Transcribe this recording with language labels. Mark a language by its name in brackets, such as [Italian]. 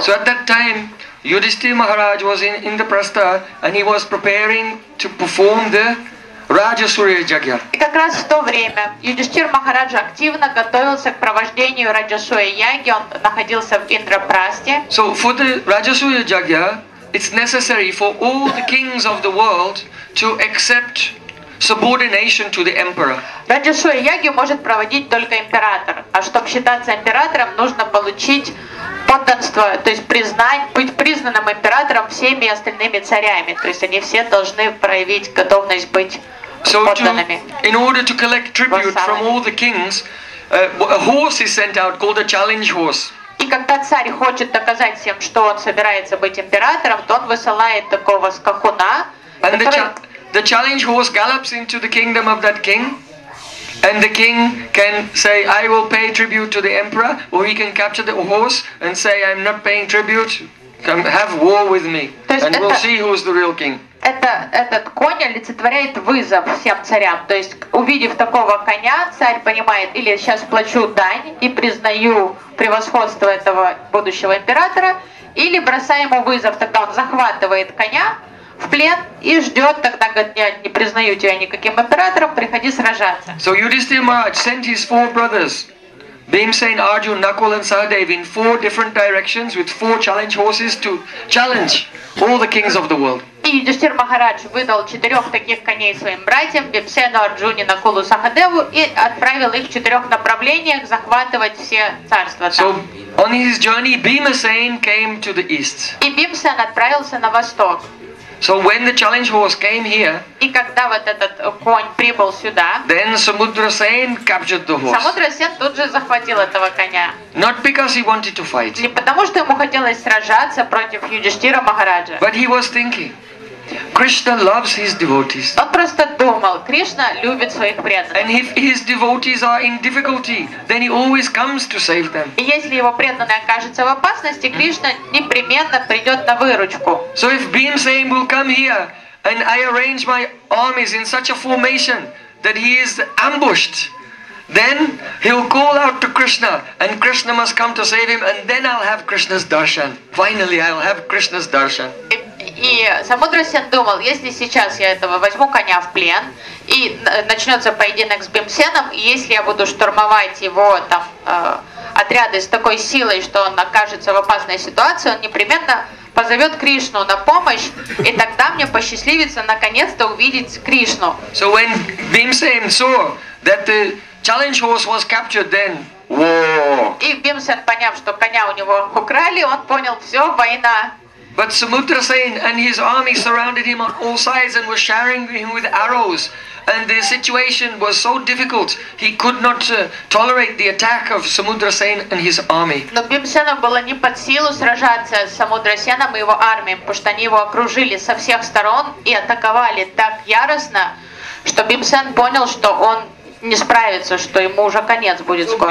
[English] So at that time, Yudhishthira Maharaj was in Indraprastha and he was preparing to perform the Rajasurya Yagya. [Russian] И как раз в то время Юдиштир Махарадж активно готовился к провождению Раджасурья Яги. Он находился в Индрапрасте. [English] So for the Rajasurya Yagya, it's necessary for all the kings of the world to accept subordination to the emperor. [Russian] Раджасурья Яги может проводить только император, а чтобы считаться императором, нужно получить подданство, то есть быть признанным императором всеми остальными царями, то есть они все должны проявить готовность быть подданными. [English] So in order to collect tribute from all the kings, a horse is sent out called a challenge horse. [Russian] И когда царь хочет доказать всем, что он собирается быть императором, то он высылает такого скакуна, [English] The challenge horse gallops into the kingdom of that king, and the king can say, I will pay tribute to the emperor, or he can capture the horse and say, I'm not paying tribute, come have war with me, and we'll see who's the real king. [Russian] Этот конь олицетворяет вызов всем царям. То есть, увидев такого коня, царь понимает, или сейчас плачу дань и признаю превосходство этого будущего императора, или бросаю ему вызов, тогда он захватывает коня, в плен и ждет, тогда говорит, не признаю тебя никаким императором, приходи сражаться. [English] So Yudhishthira Maharaj sent his four brothers, Bhimsen, Arjun, Nakul and Sahadev, in four different directions with four challenge horses to challenge all the kings of the world. [Russian] И Юдиштир Махарадж выдал четырех таких коней своим братьям, Бхимсену, Арджуне, Накулу, Сахадеву, и отправил их в четырех направлениях захватывать все царства там. [English] So, on his journey, Bhimsen came to the east. [Russian] И Бхимсен отправился на восток. [English] So when the challenge horse came here, [Russian] и когда вот этот конь прибыл сюда, [English] then Samudrasen captured the horse. [Russian] Самудрасен тут же захватил этого коня. [English] Not because he wanted to fight. [Russian] Не потому что ему хотелось сражаться против Юдиштира Махараджа. [English] But he was thinking, Krishna loves his devotees. [Russian] Он просто думал, Кришна любит своих преданных. [English] And if his devotees are in difficulty, then he always comes to save them. [Russian] И если его преданные окажутся в опасности, Кришна непременно придет на выручку. [English] So if Bhimsen will come here, and I arrange my armies in such a formation that he is ambushed, then he'll call out to Krishna, and Krishna must come to save him, and then I'll have Krishna's darshan. Finally, I'll have Krishna's darshan. [Russian] И Самудрасен думал, если сейчас я этого возьму коня в плен, и начнется поединок с Бхимсеном, если я буду штурмовать его там отряды с такой силой, что он окажется в опасной ситуации, он непременно позовет Кришну на помощь, и тогда мне посчастливится наконец-то увидеть Кришну. [English] So when Bhimsen saw that the challenge horse was captured, then war. [Russian] И Бхимсен, поняв, что коня у него украли, он понял, все, война. [English] But Samudrasen and his army surrounded him on all sides and were sharing him with arrows. And the situation was so difficult, he could not tolerate the attack of Samudrasen and his army. [Russian] Но Бхимсену было не под силу сражаться с Самудрасеном и его армией, потому что они его окружили со всех сторон и атаковали так яростно, что Бхимсен понял, что он не справится, что ему уже конец будет скоро.